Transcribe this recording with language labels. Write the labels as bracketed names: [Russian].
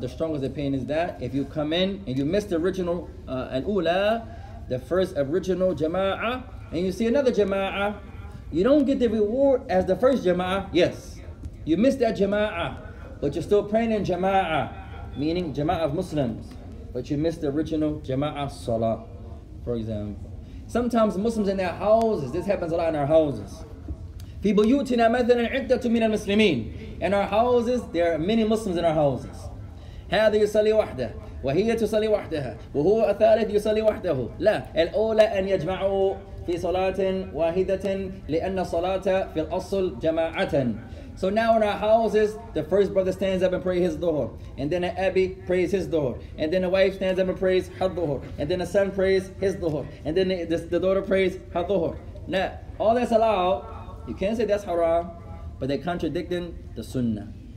[English] The strongest opinion is that if you come in and you miss the original al-ula, the first original jama'ah, and you see another jama'ah, you don't get the reward as the first jama'ah. Yes, you missed that jama'ah, but you're still praying in jama'ah, meaning jama'ah of Muslims, but you missed the original jama'ah salah, for example. Sometimes Muslims in their houses, this happens a lot in our houses. [Arabic] في بيوتنا مثلا عدة من المسلمين. [English] In our houses, there are many Muslims in our houses. [Arabic] هذا يصلي وحده. وهي تصلي وحدها وهو الثالث يصلي وحده لا الأولى أن يجمعوا في صلاة واحدة لأن الصلاة في الأصل جماعة. [English] So now in our houses, the first brother stands up and prays his dhuhr, and then the abi prays his dhuhr, and then the wife stands up and prays her dhuhr, and then the son prays his dhuhr, and then the daughter prays her dhuhr. Now all that's allowed, you can't say that's haram, but they're contradicting the sunnah.